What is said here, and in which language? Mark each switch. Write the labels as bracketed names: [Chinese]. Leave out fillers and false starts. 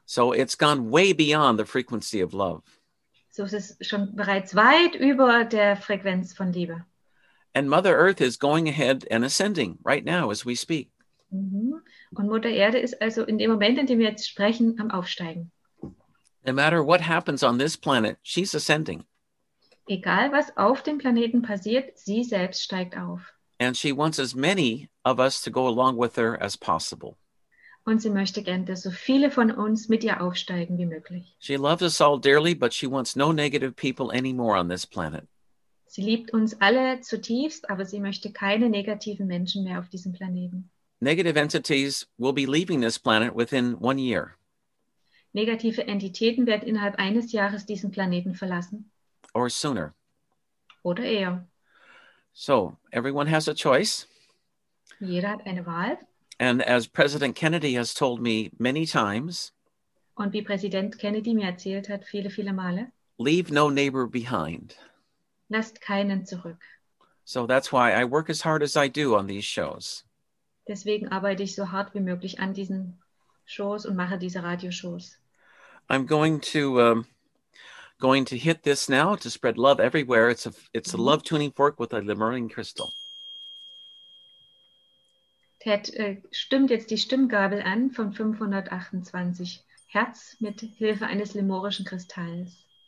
[English] So it's gone way beyond the frequency of love. [German] So es ist schon bereits weit über der Frequenz von Liebe. [English] And Mother Earth is going ahead and ascending right now as we speak. [German] Und Mutter Erde ist also in dem Moment, in dem wir jetzt sprechen, am Aufsteigen. [English] No matter what happens on this planet, she's ascending. [German] Egal, was auf dem Planeten passiert, sie selbst steigt auf. [English] And she wants as many of us to go along with her as possible. [German] Und sie möchte gern, dass so viele von uns mit ihr aufsteigen wie möglich. [English] She loves us all dearly, but she wants no negative people anymore on this planet. [German] Sie liebt uns alle zutiefst, aber sie möchte keine negativen Menschen mehr auf diesem Planeten. [English] Negative entities will be leaving this planet within 1 year. [German] Negative Entitäten werden innerhalb eines Jahres diesen Planeten verlassen. [English] Or sooner. [German] Oder eher. [English] So, everyone has a choice. [German] Jeder hat eine Wahl. [English] And as President Kennedy has told me many times. [German] Und wie Präsident Kennedy mir erzählt hat, viele, viele Male. [English] Leave no neighbor behind. [German] Lasst keinen zurück. [English] So that's why I work as hard as I do on these shows. [German] Deswegen arbeite ich so hart wie möglich an diesen Shows und mache diese Radioshows. [English] I'm going to... going to hit this now to spread love everywhere. It's a love tuning fork with a Lemurian crystal. [German] Ted stimmt jetzt die Stimmgabel an von 528 Hertz mit Hilfe eines lemurischen Kristalls.